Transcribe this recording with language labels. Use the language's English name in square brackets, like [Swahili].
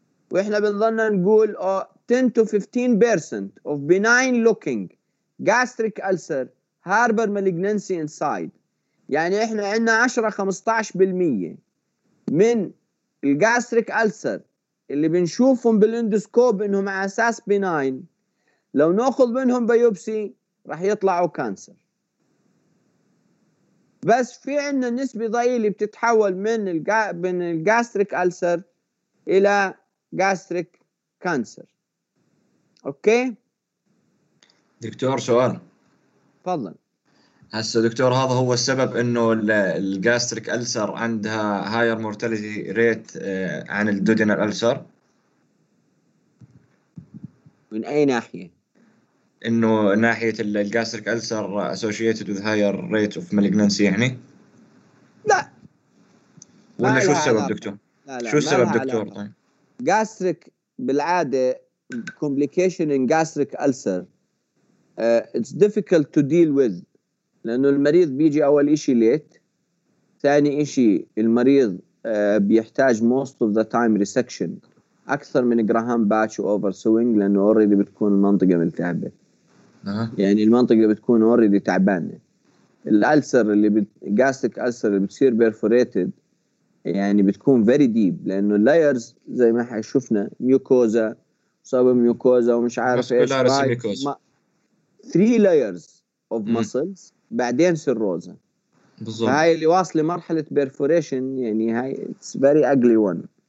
[Arabic] وإحنا بنظن نقول [English] 10-15% of benign looking gastric ulcer harbor malignancy inside. [Arabic] يعني إحنا عندنا 10-15% من الغاستريك ألسر اللي بنشوفهم بالإندوسكوب إنهم على أساس بناين، لو نأخذ منهم بيوبسي رح يطلعوا كانسر. بس في عنا نسبة ضئيلة بتتحول من الغاستريك ألسر إلى غاستريك كانسر. أوكي دكتور، سؤال تفضل. هسا دكتور، هذا هو السبب انه الغاستريك ألسر عندها higher mortality rate عن الدودينال ألسر؟ من اي ناحية؟ انه ناحية الغاستريك ألسر [English] associated with higher rate of malignancy [Arabic] يعني؟ لا ولا شو السبب دكتور؟ شو السبب دكتور؟ غاستريك بالعادة [English] complication in gastric ulcer it's difficult to deal with [Arabic] لأنه المريض بيجي أول إشي [English] late. [Arabic] ثاني إشي المريض بيحتاج most of the time resection أكثر من جراهام باتش وأوفر سوينج لأنه already بتكون المنطقة ملتهبة. يعني المنطقة بتكون already تعبانة. الألسر اللي جاستك ألسر اللي بتصير perforated يعني بتكون very deep لأنه layers زي ما حشوفنا ميوكوزا صوب ميوكوزا ومش عارف إيش ما [English] three layers of muscles بعدين serosa. [Arabic] بالضبط. هاي اللي واصلة مرحلة perforation يعني هاي [English] it's very ugly one.